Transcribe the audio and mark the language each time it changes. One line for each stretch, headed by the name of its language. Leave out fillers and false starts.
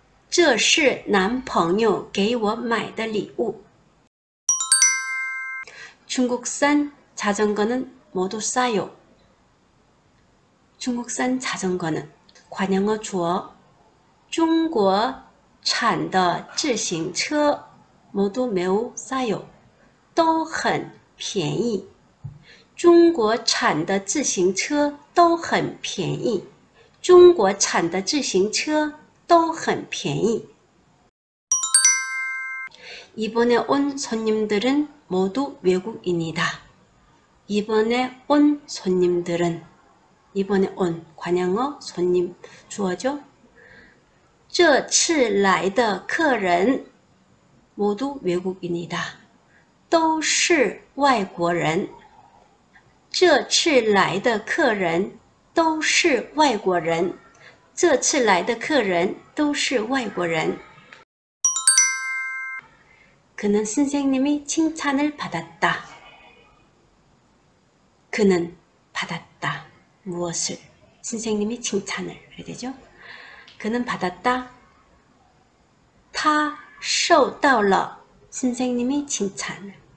Chinese: 这是男朋友给我买的礼物.
Korean: 중국산 자전거는 모두 싸요. 중국산 자전거는 관형어 주어. 중국
Chinese: 产的自行车
Korean: 모두 매우 싸요.
Chinese: 都很便宜. 중국产的自行车都很便宜. 중국产的自行车都很便宜.
Korean: 이번에 온 손님들은 모두 외국인이다. 이번에 온 손님들은 이번에 온 관형어 손님 주어죠?
Chinese: 这次来的客人
Korean: 모두 외국인이다.
Chinese: 都是外国人。这次来的客人都是外国人。这次来的客人都是外国人。
Korean: 그는 선생님이 칭찬을 받았다. 그는 받았다. 무엇을? 선생님이 칭찬을. 그래야 되죠? 그는 받았다.
Chinese: 他受到了
Korean: 선생님이 칭찬을.